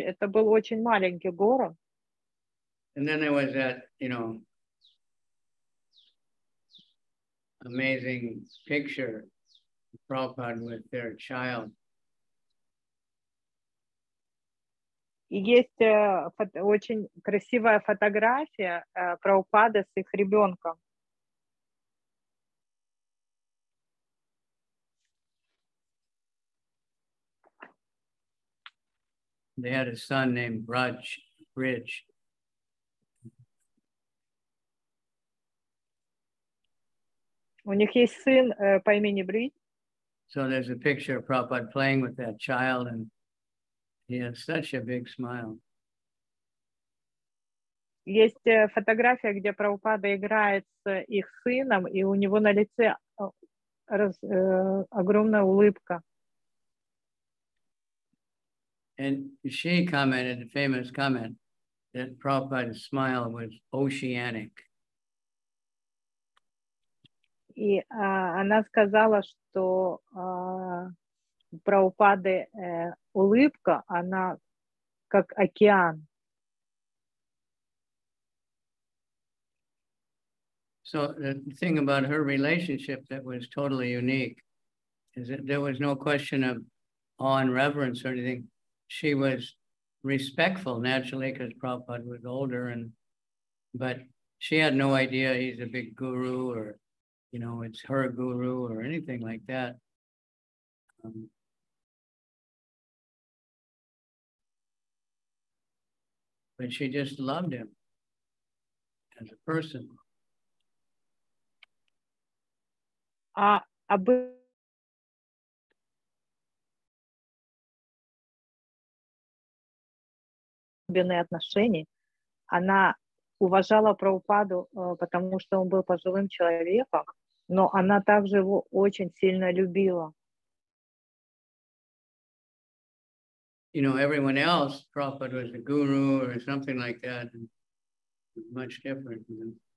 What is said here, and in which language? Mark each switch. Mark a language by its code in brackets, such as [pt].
[ru] Это был очень маленький город. [en] And then there was that, you know, amazing picture of Prabhupada with their child. [ru] Есть очень красивая фотография Прабхупады с их ребенком. [en] They had a son named Raj Rich. [ru] У них есть сын по имени Брид. [en] So there's a picture of Prabhupada playing with that child, and he has such a big smile. [ru] Есть фотография, где Прабхупада играет с их сыном, и у него на лице огромная улыбка. [en] And she commented, the famous comment, that Prabhupada's smile was oceanic. [ru] И она сказала, что Прабхупады улыбка, она как океан. [en] So the thing about her relationship that was totally unique is that there was no question of awe and reverence or anything. She was respectful naturally because Prabhupada was older, and but she had no idea he's a big guru or, you know, it's her guru or anything like that. But she just loved him as a person. [ru] особенные отношения. Она уважала Прабхупаду, потому что он был пожилым человеком, но она также его очень сильно любила. [en] You know, everyone else, Prabhupada was a guru or something like that, and much different. You know?